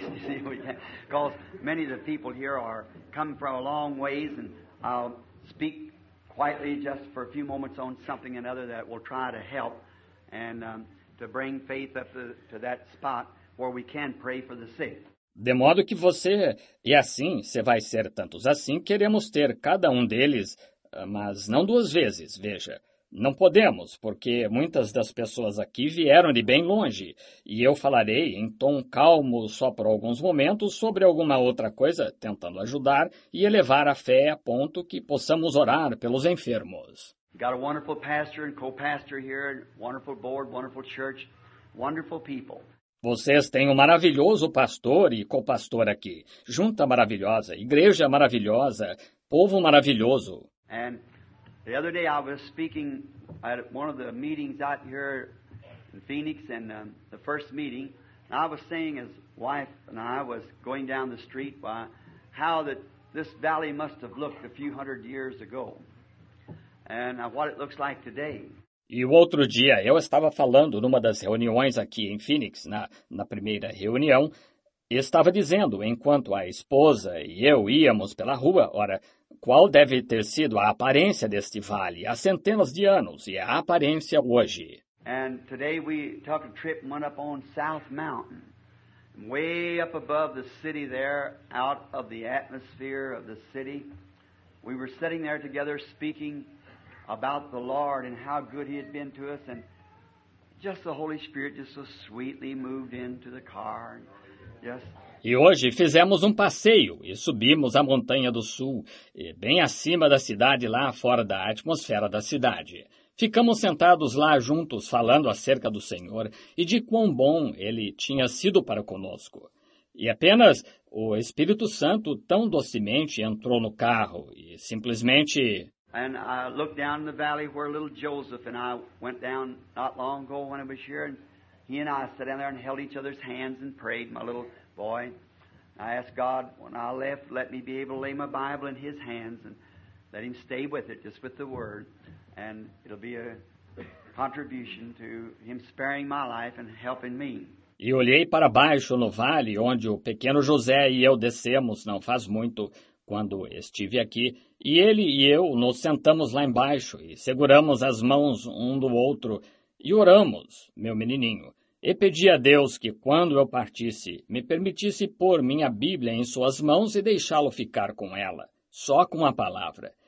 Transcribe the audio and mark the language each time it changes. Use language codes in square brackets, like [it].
[en] You see, because many of the people here are coming from a long ways, and I'll speak quietly just for a few moments on something and other that will try to help. To bring faith up to that spot where we can pray for the sick. [pt] De modo que você, e assim, se vai ser tantos assim, queremos ter cada um deles, mas não duas vezes, veja. Não podemos, porque muitas das pessoas aqui vieram de bem longe, e eu falarei em tom calmo só por alguns momentos sobre alguma outra coisa, tentando ajudar e elevar a fé a ponto que possamos orar pelos enfermos. [en] Got a wonderful pastor and co-pastor here, wonderful board, wonderful church, wonderful people. [pt] Vocês têm um maravilhoso pastor e co-pastor aqui. Junta maravilhosa, igreja maravilhosa, povo maravilhoso. [en] And the other day I was speaking at one of the meetings out here in Phoenix, and the first meeting, and I was saying, his wife and I was going down the street, how that this valley must have looked a few hundred years ago. And what it looks like today. [pt] E o outro dia, eu estava falando numa das reuniões aqui em Phoenix, na primeira reunião, e estava dizendo, enquanto a esposa e eu íamos pela rua, ora, qual deve ter sido a aparência deste vale há centenas de anos e a aparência hoje? [en] And today we took a trip and went up on South Mountain, way up above the city there, out of the atmosphere of the city. We were sitting there together speaking about the Lord and how good He had been to us, and just the Holy Spirit just so sweetly moved into the car. Yes. [pt] E hoje fizemos um passeio e subimos a Montanha do Sul, bem acima da cidade, lá fora da atmosfera da cidade. Ficamos sentados lá juntos, falando acerca do Senhor e de quão bom Ele tinha sido para conosco. E apenas o Espírito Santo tão docemente entrou no carro e simplesmente... [en] And I looked down in the valley where little Joseph and I went down not long ago when I was here. And he and I sat down there and held each other's hands and prayed, my little boy. And I asked God, when I left, let me be able to lay my Bible in his hands and let him stay with it, just with the word. And it'll be a contribution to him sparing my life and helping me. [pt] E olhei para baixo no vale onde o pequeno José e eu descemos não faz muito. quando estive aqui, e ele e eu nos sentamos lá embaixo e seguramos as mãos um do outro e oramos, meu menininho, e pedi a Deus que, quando eu partisse, me permitisse pôr minha Bíblia em suas mãos e deixá-lo ficar com ela, só com a palavra.